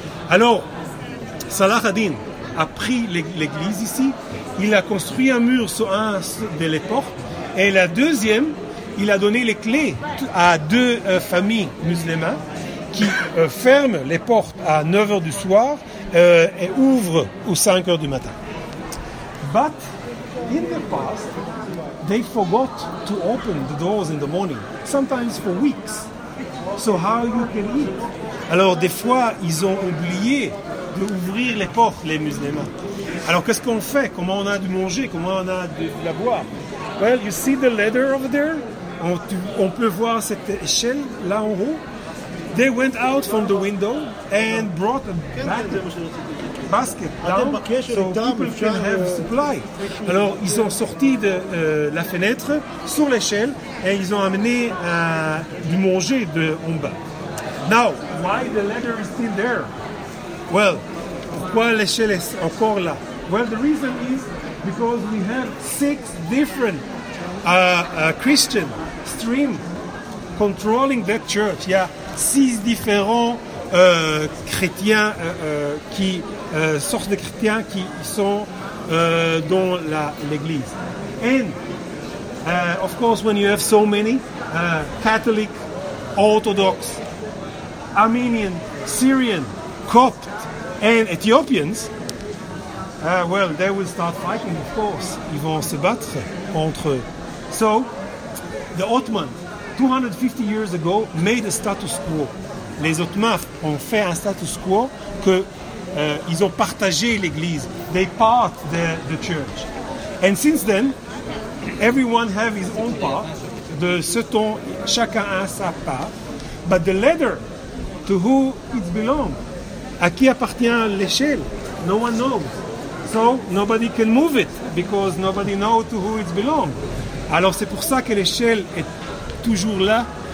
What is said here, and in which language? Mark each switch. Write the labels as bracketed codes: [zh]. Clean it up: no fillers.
[fr] Alors, Salah ad-Din a pris l'église ici, il a construit un mur sur un de les portes, et la deuxième, il a donné les clés à deux familles musulmanes qui ferment les portes à 9h du soir et ouvrent aux 5h du matin. [en] But in the past, they forgot to open the doors in the morning, sometimes for weeks. So how you can eat? [fr] Alors des fois, ils ont oublié d'ouvrir les portes, les musulmans. Alors, qu'est-ce qu'on fait? Comment on a de manger? Comment on a de la boire? [en] Well, you see the ladder over there? [fr] On peut voir cette échelle là en haut. [en] They went out from the window and brought a basket down so people can have supply. [fr] Alors, ils sont sortis de la fenêtre sur l'échelle et ils ont amené du manger de en bas. [en] Now, why the ladder is still there? Well, [fr] pourquoi l'échelle est encore là? [en] Well, the reason is because we have 6 different Christian streams controlling that church. [fr] Il y a 6 différents chrétiens qui sortent de chrétiens qui sont dans l'église. [en] And of course, when you have so many Catholic, Orthodox, Armenian, Syrian, Copt, and Ethiopians, Well, they will start fighting, of course. [fr] Ils vont se battre entre eux. [en] So, the Ottoman, 250 years ago, made a status quo. [fr] Les Ottomans ont fait un status quo que ils ont partagé l'église. [en] They part the church. And since then, everyone have his own part. [fr] De ce temps, chacun a sa part. [en] But the ladder, to who it belongs? [fr] À qui appartient l'échelle? [en] No one knows. So nobody can move it because nobody knows to who it belongs. [fr] Alors c'est pour ça que l'échelle est toujours là.